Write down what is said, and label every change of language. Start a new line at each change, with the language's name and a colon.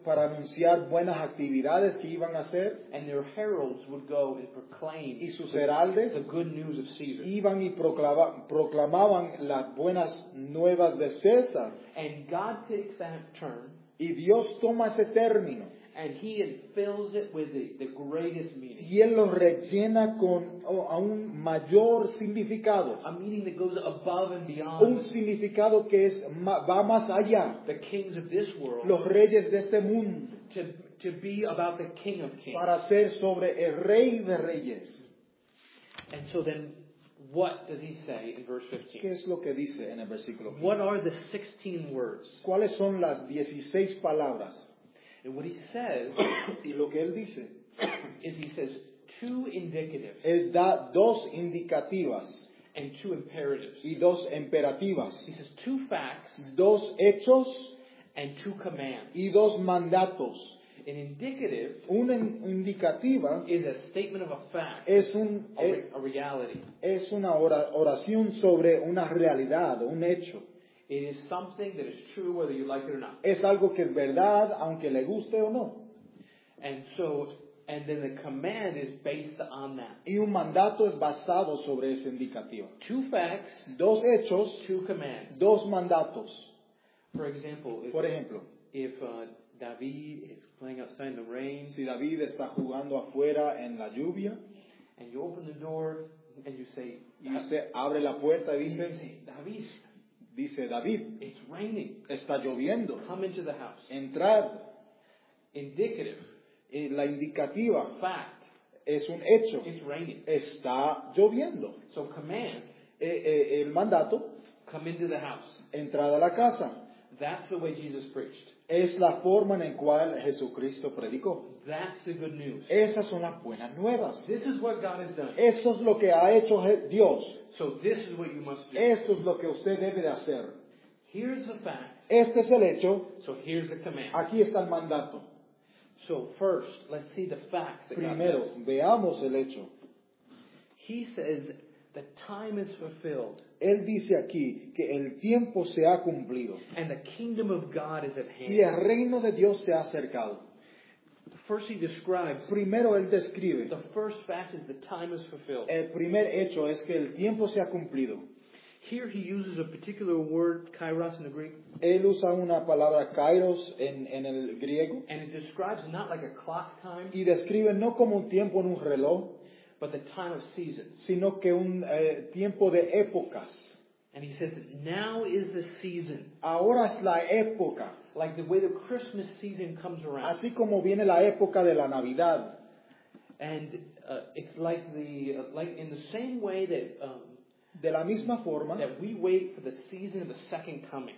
Spanish: Para anunciar buenas actividades que iban a hacer.
English: And their heralds would go and proclaim
Spanish: y sus heraldes
English: the good news of Caesar.
Spanish: Iban y proclamaban las buenas nuevas de César.
English: And God takes that term.
Spanish: Y Dios toma ese término.
English: And he fills it with the greatest meaning.
Spanish: Y él lo rellena con a un mayor significado.
English: A meaning that goes above and beyond.
Spanish: Un significado que es va más allá.
English: The kings of this world.
Spanish: Los reyes de este mundo.
English: To be about the King of Kings.
Spanish: Para ser sobre el Rey de Reyes.
English: And so then, what does he say in verse 15?
Spanish: ¿Qué es lo que dice en el versículo 15?
English: What are the 16 words?
Spanish: ¿Cuáles son las 16 palabras?
English: And what he says,
Spanish: y lo que él dice,
English: is he says two indicatives.
Spanish: Él da dos indicativas.
English: And two imperatives.
Spanish: Y dos imperativas.
English: He says two facts.
Spanish: Dos hechos.
English: And two commands.
Spanish: Y dos mandatos.
English: An indicative.
Spanish: Una indicativa.
English: Is a statement of a fact.
Spanish: Es un
English: a reality.
Spanish: Es una oración sobre una realidad, un hecho.
English: It is something that is true whether you like it or not.
Spanish: Es algo que es verdad, aunque le guste o no.
English: And so, and then the command is based on that.
Spanish: Y un mandato es basado sobre ese indicativo.
English: Two facts.
Spanish: Dos hechos.
English: Two commands.
Spanish: Dos mandatos.
English: For example, if David is playing outside in the rain.
Spanish: Si David está jugando afuera en la lluvia.
English: And you open the door and you say.
Spanish: Y usted abre la puerta y dice.
English: David.
Spanish: Dice David,
English: it's raining.
Spanish: Está lloviendo.
English: Come into the house.
Spanish: Entrar.
English: Indicative.
Spanish: La indicativa.
English: Fact.
Spanish: Es un hecho.
English: It's raining.
Spanish: Está lloviendo.
English: So command.
Spanish: El mandato.
English: Come into the house.
Spanish: Entrar a la casa.
English: That's the way Jesus preached.
Spanish: Es la forma en la cual Jesucristo predicó.
English: That's the good news.
Spanish: Esas son las buenas nuevas.
English: This is what God has done.
Spanish: Eso es lo que ha hecho Dios.
English: So this is what you must do.
Spanish: Esto es lo que usted debe de hacer.
English: Here's the fact.
Spanish: Este es el hecho.
English: So here's the command.
Spanish: Aquí está el mandato.
English: So first, let's see the facts.
Spanish: Primero,
English: that God says.
Spanish: Veamos el hecho.
English: He says the time is fulfilled.
Spanish: Él dice aquí que el tiempo se ha cumplido.
English: And the kingdom of God is at hand.
Spanish: Y el reino de Dios se ha acercado.
English: First he describes.
Spanish: Primero él describe.
English: The first fact is the time is fulfilled.
Spanish: El primer hecho es que el tiempo se ha cumplido.
English: Here he uses a particular word, kairos, in the Greek.
Spanish: Él usa una palabra kairos en el griego.
English: And it describes not like a clock time.
Spanish: Y describe no como un tiempo en un reloj.
English: But the time of seasons.
Spanish: Sino que un tiempo de épocas.
English: And he says, now is the season.
Spanish: Ahora es la época.
English: Like the way the Christmas season comes around.
Spanish: Así como viene la época de la Navidad.
English: And it's like the like in the same way that
Spanish: de la misma forma
English: that we wait for the season of the second coming.